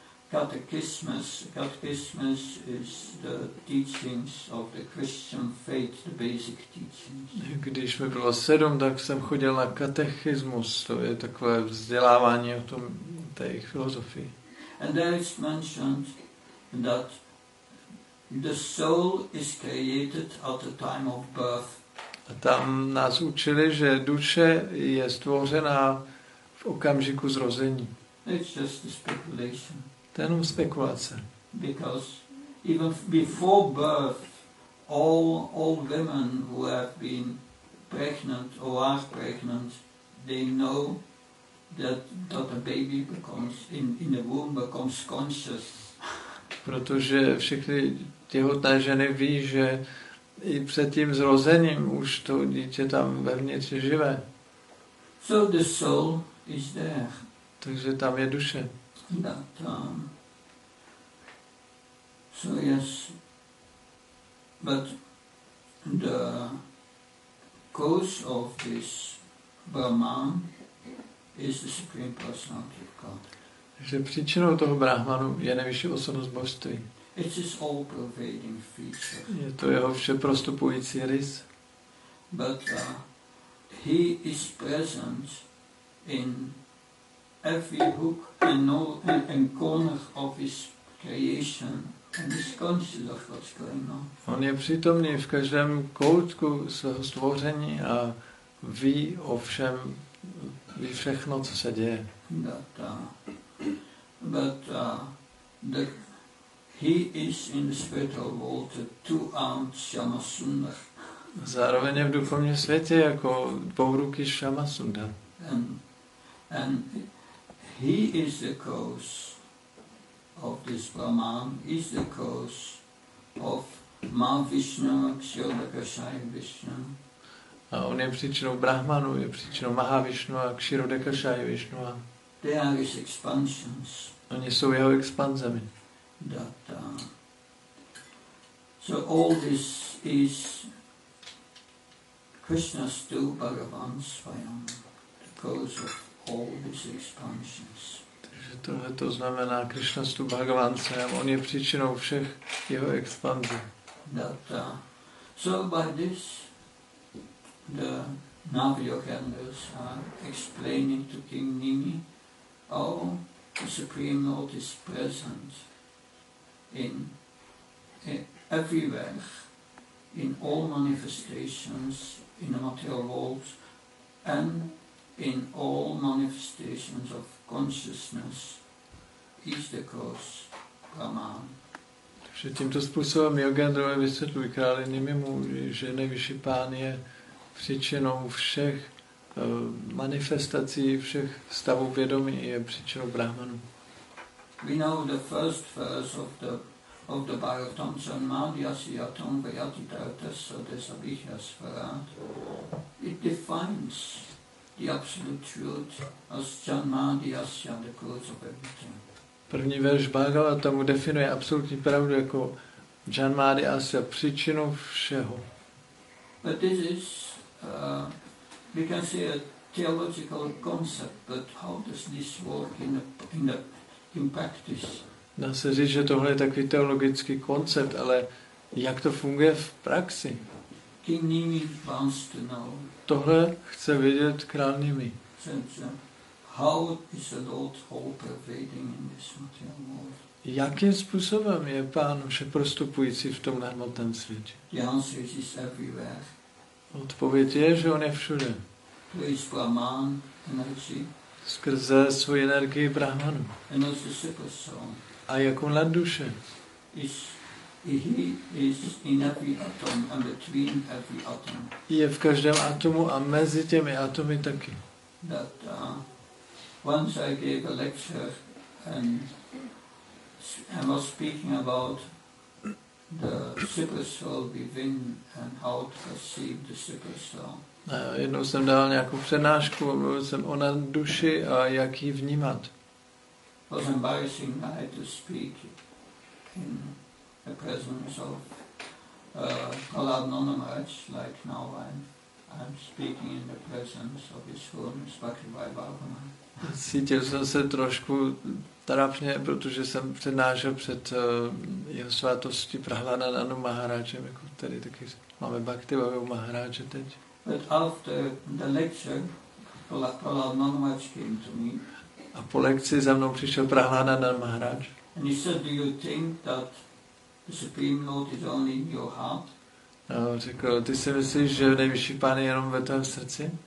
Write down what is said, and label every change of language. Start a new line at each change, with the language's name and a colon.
English: Catechismus is the teachings of the Christian faith, the basic teachings.
Czech: Když mi bylo 7, tak jsem chodil na katechismus. To je takové vzdělávání o tom té filozofii.
English: And there is mentioned that the soul is created at the time of birth.
Czech: A tam nás učili, že duše je stvořena v okamžiku zrození.
English: It's just a speculation.
Czech: To je jenom spekulace.
English: Because even before birth, all women who have been pregnant or are pregnant, they know that the baby becomes in the womb becomes conscious.
Czech: Protože všechny těhotné ženy ví, že i před tím zrozením už to dítě tam vevnitř je živé.
English: So the soul is there.
Czech: Takže tam je duše.
English: That, so yes, but the cause of this Brahman is the Supreme Personality of God.
Czech: Že příčinou toho Brahmanu je nejvyšší osobnost božství.
English: It's his all-pervading feature.
Czech: Je to jeho všeprostupující rys.
English: But he is present in every hook and all corner of his creation. And he's conscious of what's going on.
Czech: On je přítomný v každém koutku svého stvoření a ví o všem, ví všechno, co se děje.
English: But, the, he is in the spiritual world a two-armed Shama Sundar.
Czech: Zároveň je v duchovním světě jako dvouruký Shama Sundar.
English: And he is the cause of this Brahman is the cause of Mahavishnu, Kshirodakshaya Vishnu.
Czech: A on je příčinou Brahmanu, je příčinou Mahavishnu a Kshirodakshaya Vishnu.
English: They are his expansions.
Czech: Oni jsou jeho expanzemi.
English: That, so all this is Krishna's two Bhagavan Swayam, the cause of all these expansions.
Czech: Tohle to znamená Krishna Stu Bhagavan Svayam. On je příčinou všech jeho expanzí.
English: So by this the Navayogendras are explaining to King Nini how the Supreme Lord is present in everywhere, in all manifestations in the material world and in all manifestations of consciousness is the cause Brahman.
Czech: Takže tímto způsobem Yogendrové vysvětlují králi Nimimu, že nejvyšší pán je příčinou všech manifestací, všech stavů vědomí, je příčinou Brahmanu.
English: We know the first verse of the Bhagavatam Sanmadhyasiyatam Vyatitartasa Desabhihyasvarat. It defines the absolute truth as Janmadhyasya, the cause of everything.
Czech: První verš Bhagavatamu definuje absolutní pravdu jako Janmadhyasya, příčinu všeho.
English: But this is, we can say a theological concept, but how does this work in practice?
Czech: Dá se říct, že tohle je takový teologický koncept, ale jak to funguje v praxi?
English: King Nimi wants to know.
Czech: Tohle chce vědět král Nimi.
English: How is the Lord all pervading in this material world?
Czech: Jakým způsobem je pán všeprostupující v tomhle hmotném světě?
English: The answer is everywhere.
Czech: Odpověď je, že on je všude.
English: Please, Brahman, energy.
Czech: Skrze svou energii Brahmanu.
English: And as the super soul.
Czech: A jako na duše.
English: He is in every atom and between every atom.
Czech: Je v každém atomu a mezi těmi atomy taky.
English: that once I gave a lecture and I was speaking about the super soul within and how to perceive the super soul.
Czech: Jednou jsem dal nějakou přednášku, mluvil jsem o duši a jak ji vnímat.
English: It was embarrassing I to speak in the presence of Prahlad Nanamaraj, like now I'm speaking in the presence of His Holiness Bhaktivinoda Bhagavana.
Czech: Cítil jsem se trošku trapně, protože jsem přednášel před jeho svátostí Prahlada Nanamaharajem, jako tady taky máme Bhaktivinoda Maharaje teď.
English: But after the lecture, Prahlad Nanamaraj came to me.
Czech: A po lekci za mnou přišel Prahlada Nanamaharaj.
English: And he said, do you think that the Supreme Lord is only in your heart?
Czech: A řekl, ty si myslíš, že nejvyšší pán je jenom ve tvém srdci?